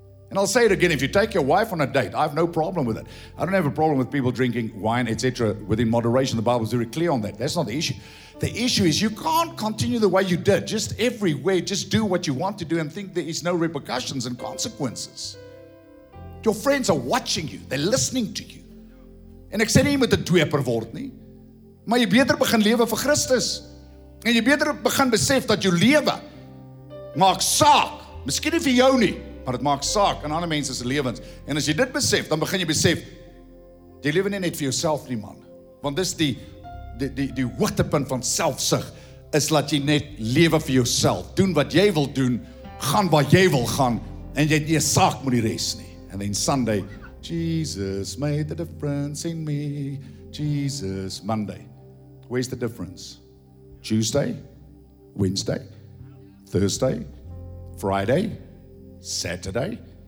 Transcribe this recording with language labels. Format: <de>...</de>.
<en>And I'll say it again, if you take your wife on a date, I have no problem with it. I don't have a problem with people drinking wine, etc., within moderation. The Bible is very clear on that. That's not the issue. The issue is you can't continue the way you did. Just everywhere, just do what you want to do and think there is no repercussions and consequences. Your friends are watching you. They're listening to you.</en> <af>En ek sê nie jy moet 'n dweper word nie. Maar jy beter begin lewe vir Christus. En jy beter begin besef dat jou lewe maak saak. Miskien nie vir jou nie, maar dit maak saak in ander mense se lewens. En as jy dit besef, dan begin jy besef jy lewe nie net vir jouself nie, man. Want dis die hoogtepunt van selfsug is dat jy net lewe vir jouself. Doen wat jy wil doen, gaan waar jy wil gaan en jy nie saak met die res nie.</af> <en>And then Sunday, Jesus made the difference in me. Jesus, Monday, where's the difference? Tuesday, Wednesday, Thursday, Friday, Saturday.</en>